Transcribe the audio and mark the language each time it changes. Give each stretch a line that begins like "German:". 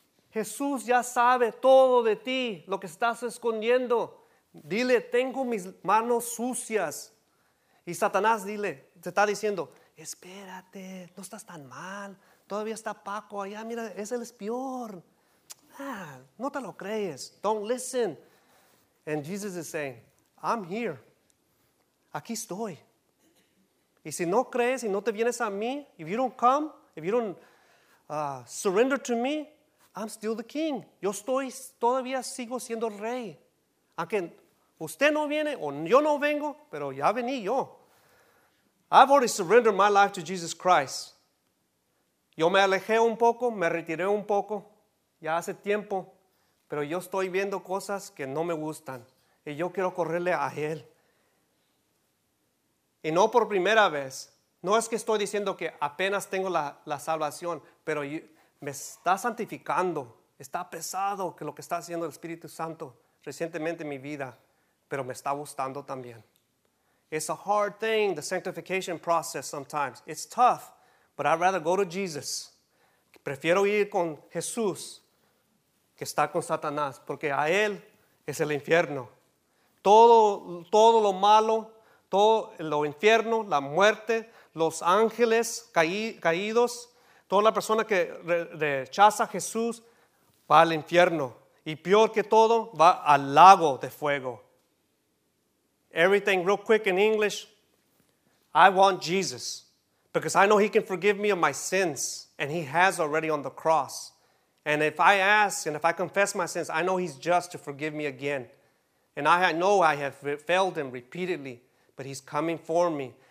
Spanish: Jesús ya sabe todo de ti, lo que estás escondiendo. Dile, tengo mis manos sucias. Y Satanás, dile, te está diciendo, espérate, no estás tan mal. Todavía está Paco allá, mira, es el espior. Ah, no te lo crees.
English: Don't listen. And Jesus is saying, I'm here.
Spanish: Aquí estoy. Y si no crees y no te vienes a mí,
English: if you don't come, if you don't surrender to me, I'm still the king.
Spanish: Yo estoy, todavía sigo siendo rey. Aunque usted no viene o yo no vengo, pero ya vení yo.
English: I've already surrendered my life to Jesus Christ.
Spanish: Yo me alejé un poco, me retiré un poco, ya hace tiempo, pero yo estoy viendo cosas que no me gustan y yo quiero correrle a Él. Y no por primera vez, no es que estoy diciendo que apenas tengo la salvación, pero me está santificando, está pesado que lo que está haciendo el Espíritu Santo recientemente en mi vida, pero me está gustando también. It's a hard thing, the sanctification process sometimes. It's tough, but I'd rather go to Jesus. Prefiero ir con Jesús que estar con Satanás, porque a él es el infierno. Todo lo malo, todo lo infierno, la muerte, los ángeles caídos, toda la persona que rechaza a Jesús va al infierno. Y peor que todo, va al lago de fuego.
English: Everything real quick in English. I want Jesus because I know he can forgive me of my sins and he has already on the cross. And if I ask and if I confess my sins, I know he's just to forgive me again. And I know I have failed him repeatedly, but he's coming for me.